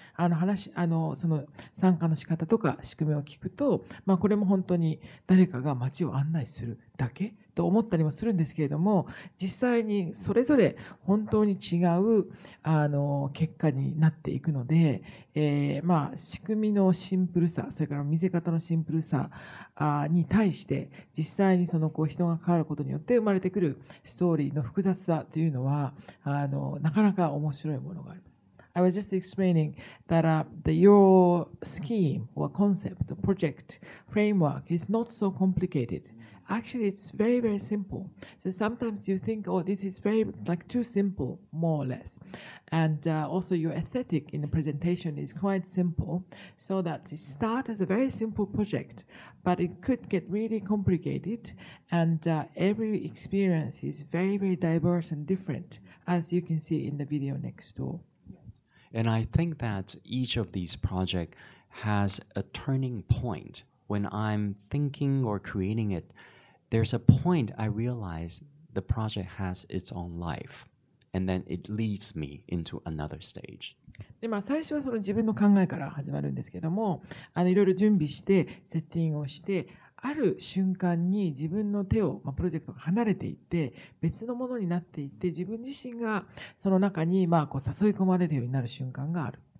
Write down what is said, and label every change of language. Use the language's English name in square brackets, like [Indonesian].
[Japanese] その参加の仕方とか仕組みを聞くと、まあ、これも本当に誰かが街を案内するだけと思ったりもするんですけれども、実際にそれぞれ本当に違う結果になっていくので、まあ、仕組みのシンプルさ、それから見せ方のシンプルさに対して、実際にそのこう人が変わることによって生まれてくるストーリーの複雑さというのは、なかなか面白いものがあります。 [English] I was just explaining that your scheme or concept, project, framework is not so complicated. Actually, it's very, very simple. So sometimes you think, oh, this is very, like, too simple, more or less. And also your aesthetic in the presentation is quite simple, so that it starts as a very simple project, but it could get really complicated. And every experience is very, very diverse and different, as you can see in the video next door. And I think that each of these projects has a turning point. When I'm thinking or creating it, there's a point I realize the project has its own life. And then it leads me into another stage. [Japanese] で、まあ、最初はその自分の考えから始まるんですけども、いろいろ準備して、セッティングをして、ある瞬間に自分の手を、まあ、プロジェクトが離れていって、別のものになっていって、自分自身がその中に、まあ、こう誘い込まれるようになる瞬間がある。